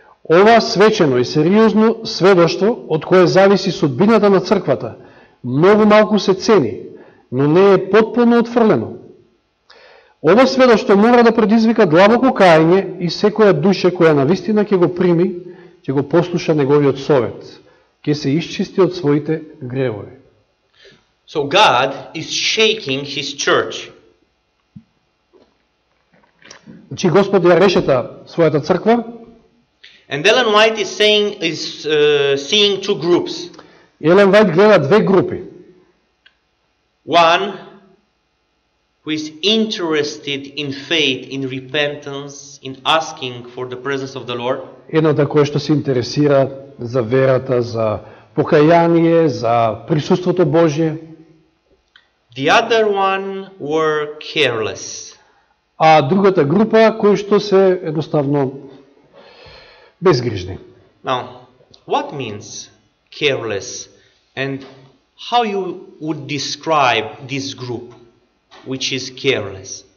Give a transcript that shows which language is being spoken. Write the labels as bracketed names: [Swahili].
[Macedonian] Ова свечено и сериозно сведоќство, од кое зависи судбината на црквата, многу малку се цени, но не е потпуно отфрлено. Ова сведоќство мора да предизвика длабоко кајање и секоја душа која навистина ќе го прими, ќе го послуша неговиот совет, ќе се исчисти од своите гревови. [English] So God is shaking his church. [Macedonian] Значи Господ ја решета својата црква. [English] And Ellen White is saying is seeing two groups. [Macedonian] Елен Вајт гледа две групи. [English] One who is interested in faith, in repentance, in asking for the presence of the Lord. [Macedonian] Едната која што се интересира за верата, за покаяние, за присуството Божие. [English] The other one were careless. [Macedonian] А другата група кои што се едноставно безгрижни. [English] Now, what means careless and how you would describe this group which is careless?